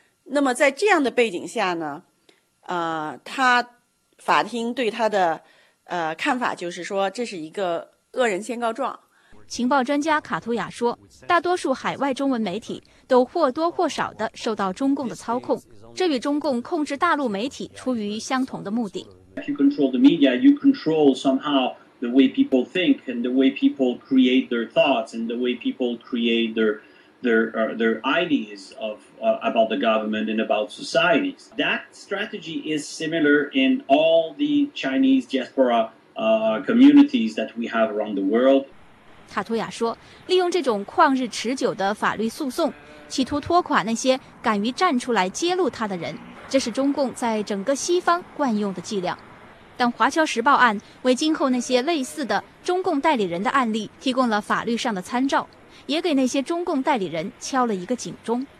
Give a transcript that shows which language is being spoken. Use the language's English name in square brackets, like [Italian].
[Chinese] 那么在这样的背景下呢，他法庭对他的看法就是说，这是一个恶人先告状。情报专家卡图亚说，大多数海外中文媒体都或多或少地受到中共的操控，这与中共控制大陆媒体出于相同的目的。 [English] If you control the media, you control somehow the way people think and the way people create their thoughts and the way people create their ideas of about the government and about societies. That strategy is similar in all the Chinese diaspora communities that we have around the world. [Chinese] 卡图亚说，利用这种旷日持久的法律诉讼，企图拖垮那些敢于站出来揭露他的人，这是中共在整个西方惯用的伎俩。但华侨时报案为今后那些类似的中共代理人的案例提供了法律上的参照，也给那些中共代理人敲了一个警钟。